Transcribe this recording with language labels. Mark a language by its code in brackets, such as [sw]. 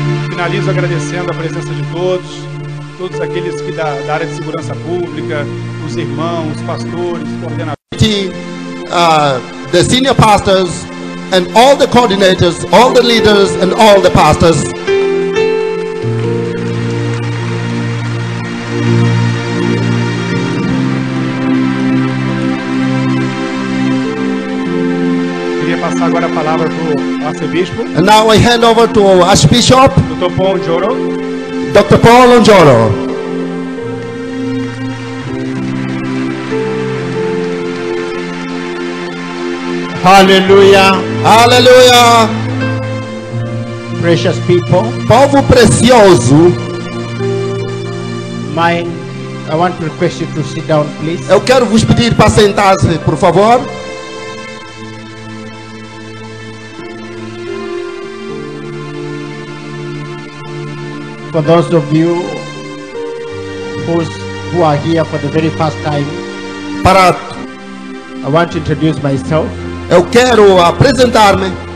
[pt] Finalizo agradecendo a presença de todos, todos aqueles que da área de segurança pública, os irmãos, os pastores, os coordenadores, [en] the senior pastors and all the coordinators, all the leaders and all the pastors. [pt] Agora a palavra para o arcebispo. [en] And now I hand over to Archbishop Dr. Paul Onjoro. Dr. Paul Onjoro. Hallelujah. Hallelujah. Precious people. [pt] Povo precioso. [en] I want to request you to sit down, please. [pt] Eu quero vos pedir para sentar-se, por favor. [en] For those of you who are here for the very first time, I want to introduce myself. [pt] Eu quero apresentar-me.